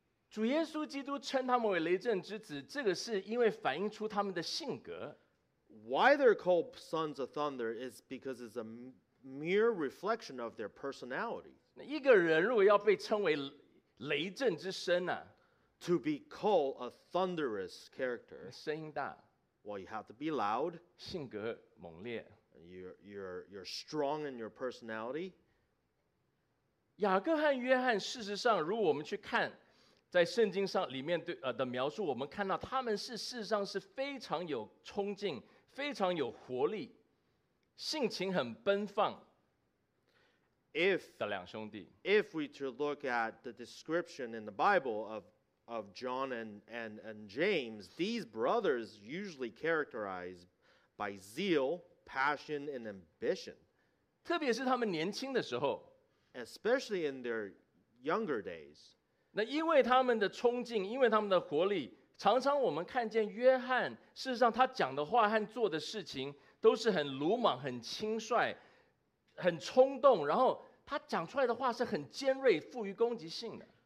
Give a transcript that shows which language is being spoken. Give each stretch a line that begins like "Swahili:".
Chinese: 主耶稣基督称他们为雷震之子，这个是因为反映出他们的性格。
English: Why they're called Sons of Thunder is because it's a mere reflection of their personality.
Chinese: 一个人如果要被称为雷震之声啊,
English: To be called a thunderous character,
Chinese: 声音大,
English: Well, you have to be loud.
Chinese: 性格猛烈,
English: you're strong in your personality.
Chinese: 雅各和约翰事实上如果我们去看在圣经上里面对的描述，我们看到他们是事实上是非常有冲劲，非常有活力，性情很奔放。
English: If
Chinese: 的两兄弟
English: ，If we to look at the description in the Bible of John and James, these brothers usually characterized by zeal, passion, and ambition.
Chinese: 特别是他们年轻的时候
English: ，especially in their younger days.
Chinese: 那因为他们的冲劲，因为他们的活力，常常我们看见约翰，事实上他讲的话和做的事情都是很鲁莽、很轻率、很冲动，然后他讲出来的话是很尖锐、富于攻击性的。